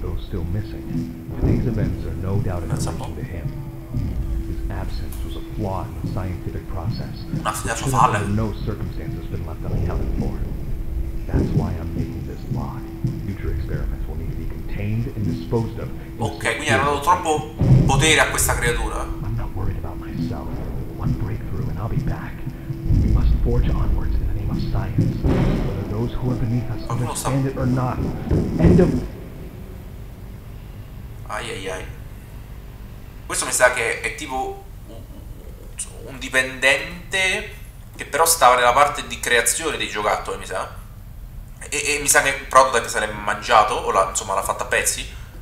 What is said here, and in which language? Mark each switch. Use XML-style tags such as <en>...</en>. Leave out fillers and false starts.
<en>Though still missing, today's events are no doubt a connection to him. His absence was a flaw in the scientific process. Under no circumstances been left unaccounted for. That's why I'm making this lock. Future experiments will need to be contained and disposed of.</en> <it>Okay, quindi hanno dato troppo potere a questa creatura.</it> <en>I'm not worried about myself. I'll be back. We must forge onwards in the name of science. Whether those who are beneath us understand it or not. End of. Ai ai ai.</en> <it>Questo mi sa che è tipo un dipendente che però stava nella parte di creazione dei giocattoli, mi sa. E mi sa che il prototype se l'è mangiato, o l'ha, insomma, l'ha fatta a pezzi.</it>